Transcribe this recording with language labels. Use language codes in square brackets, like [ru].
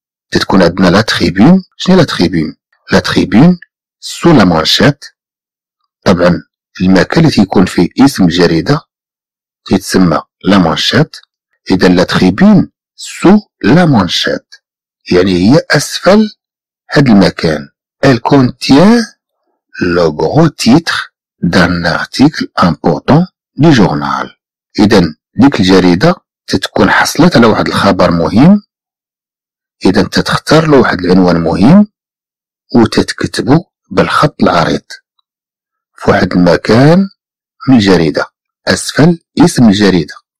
[ar] تتكون عندنا لا تريبون. شنو لا تريبون؟ لا تريبون سو لا مانشيت. طبعا المكان اللي تيكون فيه اسم جريدة تتسمى لا مانشيت. إذن لا تريبون سو لا مانشيت يعني هي أسفل هاد المكان. [fr] elle contient le gros titre d'un article important du journal. [ar] إذن ديك الجريدة تتكون حصلت على واحد الخبر مهم. إذن تتختار له واحد العنوان مهم وتتكتبه بالخط العريض في واحد المكان من الجريدة أسفل اسم الجريدة.